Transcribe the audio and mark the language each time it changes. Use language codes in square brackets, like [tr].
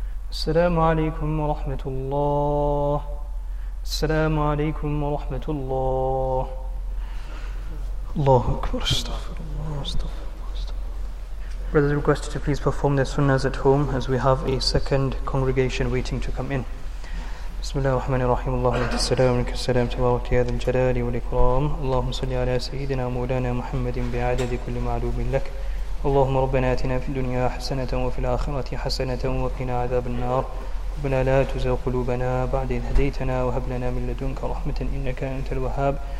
[ar] السلام عليكم ورحمة الله. السلام عليكم ورحمة الله. الله أكبر. استغفر الله. [en] Brothers requested to please perform their sunnahs at home as we have a second congregation waiting to come in. [ar] بسم الله الرحمن الرحيم. اللهم السلام عليك السلام تبارك يا ذا الجلال والإكرام. اللهم صل على سيدنا مولانا محمد بعدد كل معلوم لك. اللهم ربنا آتنا في الدنيا حسنة وفي الآخرة حسنة وقنا عذاب النار. ربنا لا تزغ قلوبنا بعد إذ هديتنا وهب لنا من لدنك رحمة إنك أنت الوهاب.